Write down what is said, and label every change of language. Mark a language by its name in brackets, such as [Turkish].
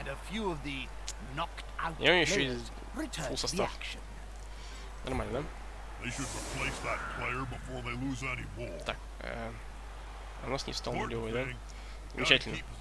[Russian] И у меня еще есть фулл состав. Нормально, да? [English] They should replace that player before they lose any ball. [Russian] Так, у нас не встал нулевой, да? Замечательно.